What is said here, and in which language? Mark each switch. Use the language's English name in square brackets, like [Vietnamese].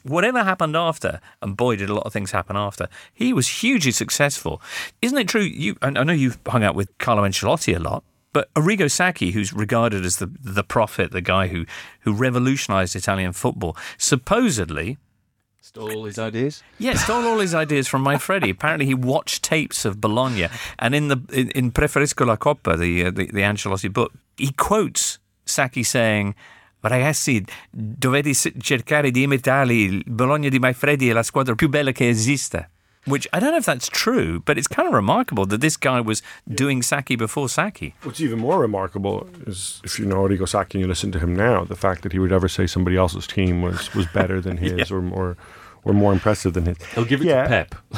[English] Whatever happened after, and boy, did a lot of things happen after, he was hugely successful. Isn't it true? I know you've hung out with Carlo Ancelotti a lot. But Arrigo Sacchi, who's regarded as the prophet, the guy who revolutionised Italian football, supposedly stole all his ideas? Yeah, stole all his ideas from Maifredi. Apparently he watched tapes of Bologna. And in Preferisco la Coppa, the Ancelotti book, he quotes Sacchi saying, [Italian] ragazzi, dovete cercare di imitare Bologna di Maifredi, è la squadra più bella che esista. [English] Which, I don't know if that's true, but it's kind of remarkable that this guy was doing Sacchi before Sacchi. What's even more remarkable is, if you know Arrigo Sacchi and you listen to him now, the fact that he would ever say somebody else's team was better than his yeah. or more impressive than his. He'll give it to Pep.